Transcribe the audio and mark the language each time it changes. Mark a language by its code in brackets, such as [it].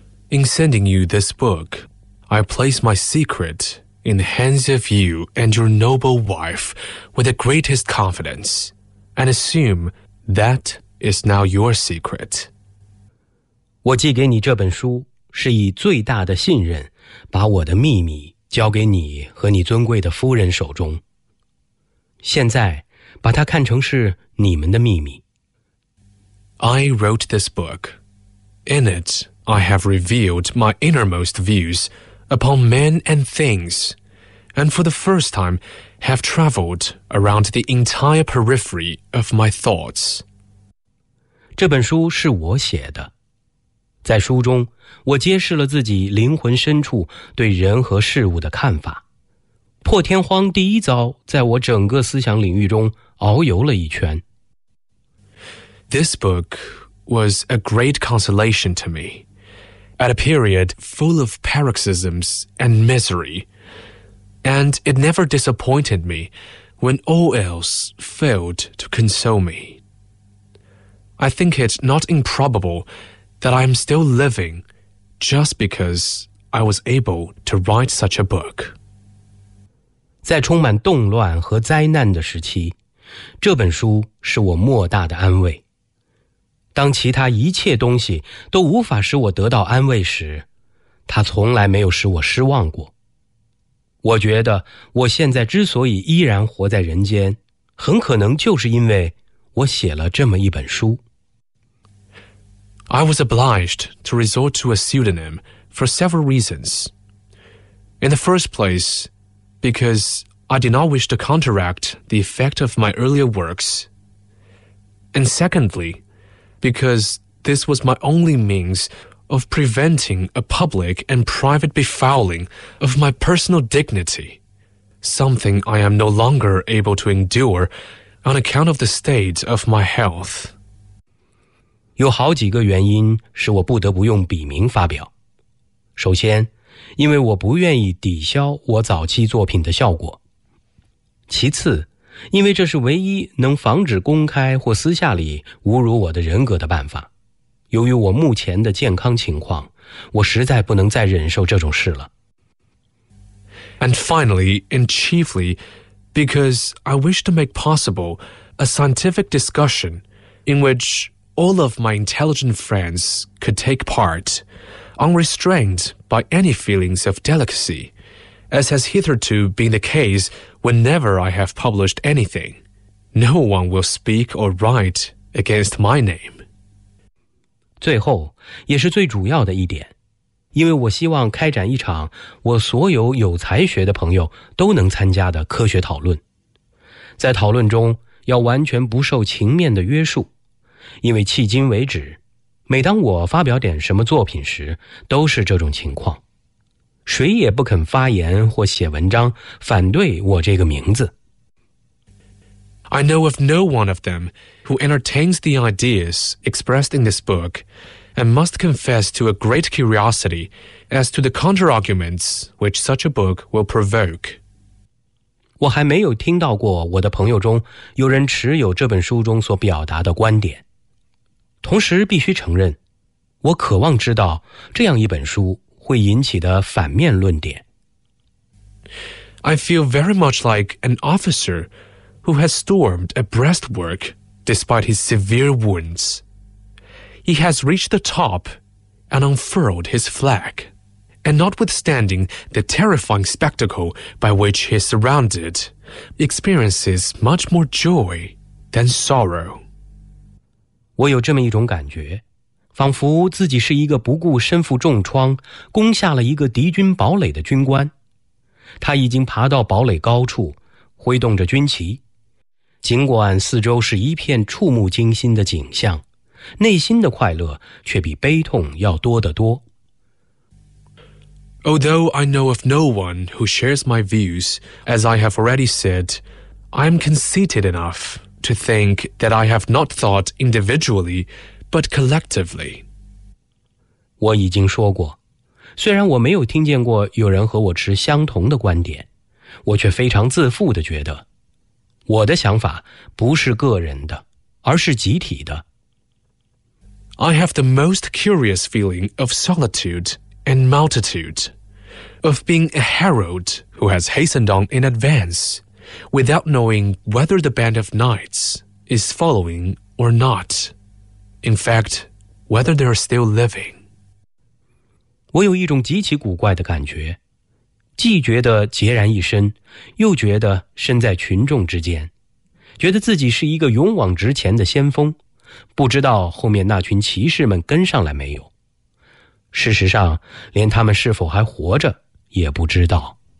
[en] In sending you this book, I place my secretin the hands of you and your noble wife with the greatest confidence, and assume that is now your secret. [zh] 我寄给你这本书是以最大的信任把我的秘密交给你和你尊贵的夫人手中。现在把它看成是你们的秘密。 [en] I wrote this book. In it, I have revealed my innermost views upon men and things,and for the first time have traveled around the entire periphery of my thoughts. [zh] 这本书是我写的。在书中，我揭示了自己灵魂深处对人和事物的看法。破天荒第一遭在我整个思想领域中遨游了一圈。 [en] This book was a great consolation to me, at a period full of paroxysms and misery,And it never disappointed me when all else failed to console me. I think it not improbable that I am still living just because I was able to write such a book. [zh] 在充满动乱和灾难的时期，这本书是我莫大的安慰。当其他一切东西都无法使我得到安慰时，它从来没有使我失望过。我觉得我现在之所以依然活在人间，很可能就是因为我写了这么一本书。 [en] I was obliged to resort to a pseudonym for several reasons. In the first place, because I did not wish to counteract the effect of my earlier works. And secondly, because this was my only means of preventing a public and private befouling of my personal dignity, something I am no longer able to endure on account of the state of my health. [zh] 有好几个原因使我不得不用笔名发表。首先，因为我不愿意抵消我早期作品的效果。其次，因为这是唯一能防止公开或私下里侮辱我的人格的办法。由于我目前的健康情况，我实在不能再忍受这种事了。 [en] And finally, and chiefly, because I wish to make possible a scientific discussion in which all of my intelligent friends could take part, unrestrained by any feelings of delicacy, as has hitherto been the case whenever I have published anything. No one will speak or write against my name. [zh] 最后，也是最主要的一点，因为我希望开展一场我所有有才学的朋友都能参加的科学讨论。在讨论中，要完全不受情面的约束，因为迄今为止，每当我发表点什么作品时，都是这种情况。谁也不肯发言或写文章反对我这个名字。 [en] I know of no one of them who entertains the ideas expressed in this book and must confess to a great curiosity as to the counterarguments which such a book will provoke. [zh] 我还没有听到过我的朋友中有人持有这本书中所表达的观点。同时必须承认，我渴望知道这样一本书会引起的反面论点。 [en] I feel very much like an officer who has stormed a breastwork despite his severe wounds. He has reached the top and unfurled his flag. And notwithstanding the terrifying spectacle by which he is surrounded, experiences much more joy than sorrow. [zh] 我有这么一种感觉，仿佛自己是一个不顾身负重创，攻下了一个敌军堡垒的军官。他已经爬到堡垒高处，挥动着军旗。尽管四周是一片触目惊心的景象，内心的快乐却比悲痛要多得多。 [en] Although I know of no one who shares my views, as I have already said, I am conceited enough to think that I have not thought individually, but collectively. [zh] 我已经说过，虽然我没有听见过有人和我持相同的观点，我却非常自负地觉得，我的想法不是个人的，而是集体的。 [en] I have the most curious feeling of solitude and multitude, of being a herald who has hastened on in advance, without knowing whether the band of knights is following or not, in fact, whether they are still living. [zh] 我有一种极其古怪的感觉，既觉得孑然一身，又觉得身在群众之间，觉得自己是一个勇往直前的先锋，不知道后面那群骑士们跟上来没有。事实上，连他们是否还活着也不知道。